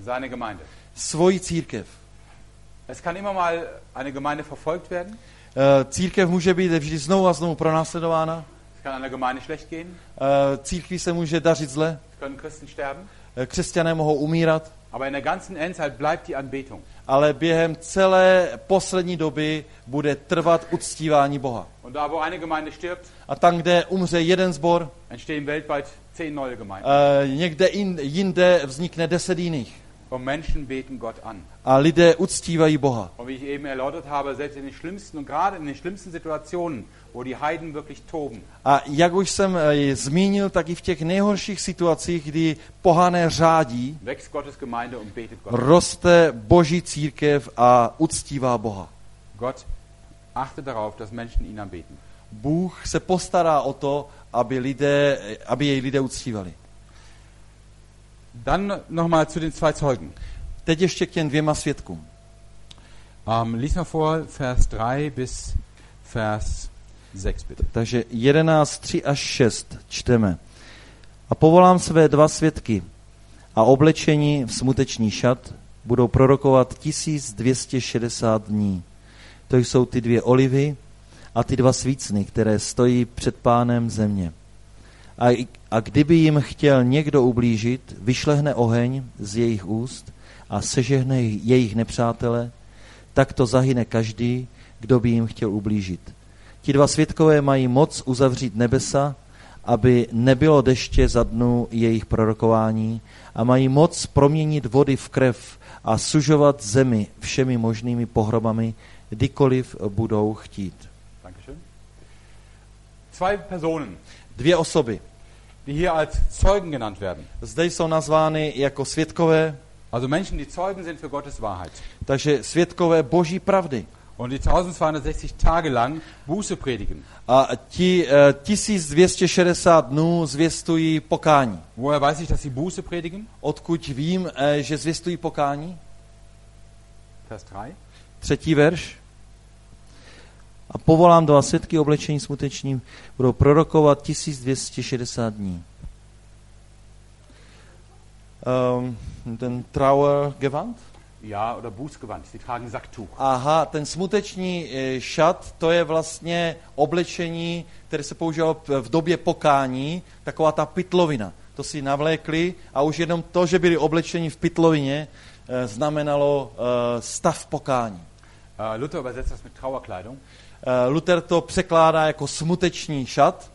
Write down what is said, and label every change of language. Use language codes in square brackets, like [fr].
[de] Seine Gemeinde. [cs] Svoji církev. [de] Es kann immer mal eine Gemeinde verfolgt werden. [cs] Církev může být vždy znovu a znovu pronásledována. [de] Es kann einer Gemeinde schlecht gehen. [cs] Církví se může dařit zle. [de] Es können Christen sterben. [cs] Křesťané mohou umírat. [de] Aber in der ganzen Endzeit bleibt die Anbetung. [cs] Ale během celé poslední doby bude trvat uctívání Boha. [de] Und da, wo eine Gemeinde stirbt, [cs] a tam, kde umře jeden sbor, [de] entstehen weltweit 10 neue Gemeinden. [cs] Někde jinde vznikne 10 jiných. [de] Und Menschen beten Gott an. [cs] A lidé uctívají Boha. [de] Und wie ich eben erläutert habe, selbst in den schlimmsten und gerade in den schlimmsten Situationen, wo die Heiden wirklich toben. [cs] A jak už jsem zmínil, tak i v těch nejhorších situacích, kdy pohané řádí, [de] wächst Gottes Gemeinde und betet Gott. [cs] Roste Boží církev a uctívá Boha. [de] Gott achtet darauf, dass Menschen ihn anbeten. [cs] Bůh se postará o to, aby lidé, aby jej lidé uctívali. [de] Dann noch mal zu den zwei Zeugen. [cs] Teď ještě k těm dvěma svědkům. [de] Lies mal vor Vers 3 bis Vers 6 bitte. [cs] Takže 11, 3 až 6 čteme. A povolám své dva svědky a oblečení v smuteční šat budou prorokovat 1260 dní. To jsou ty dvě olivy a ty dva svícny, které stojí před pánem země. A kdyby jim chtěl někdo ublížit, vyšlehne oheň z jejich úst a sežehne jejich nepřátele, tak to zahyne každý, kdo by jim chtěl ublížit. Ti dva svědkové mají moc uzavřít nebesa, aby nebylo deště za dnu jejich prorokování, a mají moc proměnit vody v krev a sužovat zemi všemi možnými pohromami, kdykoliv budou chtít. [de] Zwei Personen. [cs] Dvě osoby. [de] Die hier als Zeugen genannt werden. [cs] Zde jsou nazvány jako svědkové. [de] Also Menschen, die Zeugen sind für Gottes Wahrheit. [cs] Takže svědkové Boží pravdy. [de] Und die 1260 Tage lang Buße predigen. [cs] A ti 1260 dnů zvěstují pokání. [de] Woher weiß ich, dass sie Buße predigen? [cs] Odkud vím, že zvěstují pokání? [de] Vers 3. [cs] Třetí verš. A povolám dva svědky oblečení smutečním, budou prorokovat 1260 dní. [de] ten Trauergewand? Ja, oder Bußgewand. Sie tragen Sacktuch. [cs] Aha, ten smuteční šat, to je vlastně oblečení, které se používalo v době pokání, taková ta pytlovina. To si navlékli a už jenom to, že byli oblečeni v pytlovině, znamenalo stav pokání. [de] Luther übersetzt das mit Trauerkleidung. [cs] Luther to překládá jako smuteční šat.